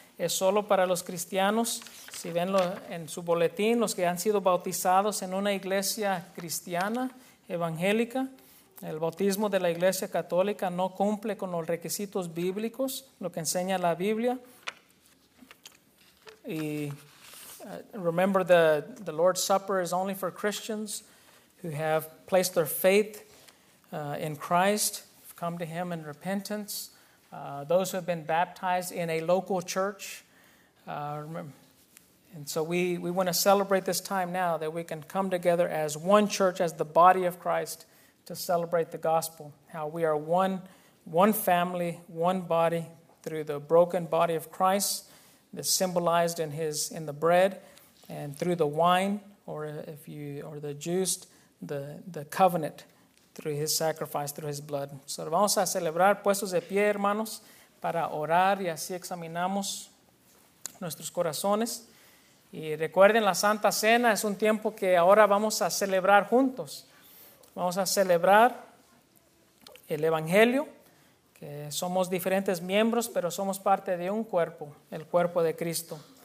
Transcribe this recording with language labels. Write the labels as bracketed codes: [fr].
[es] Es solo para los cristianos, si ven en su boletín, los que han sido bautizados en una iglesia cristiana evangélica. El bautismo de la Iglesia Católica no cumple con los requisitos bíblicos, lo que enseña la Biblia. [en] Y remember the Lord's Supper is only for Christians who have placed their faith in Christ, come to Him in repentance. Those who have been baptized in a local church. And so we want to celebrate this time now that we can come together as one church, as the body of Christ, to celebrate the gospel. How we are one family, one body, through the broken body of Christ that's symbolized in the bread, and through the wine, or the juice, the covenant. Through His sacrifice, through His blood. [es] So vamos a celebrar puestos de pie, hermanos, para orar, y así examinamos nuestros corazones. Y recuerden, la Santa Cena es un tiempo que ahora vamos a celebrar juntos. Vamos a celebrar el Evangelio, que somos diferentes miembros, pero somos parte de un cuerpo, el cuerpo de Cristo.